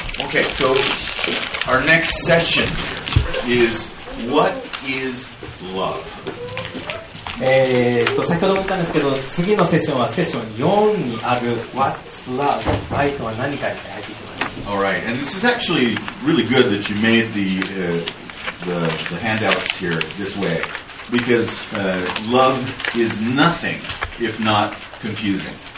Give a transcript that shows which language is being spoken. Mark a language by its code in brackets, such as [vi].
[en] Okay, so our next session is what is love? [ja] 先ほども言ったんですけど、次のセッションはセッション4にある [en] What's love? [ja] 愛とは何かに入っていきます。 [en] All right, and this is actually really good that you made the handouts here this way, because love is nothing if not confusing.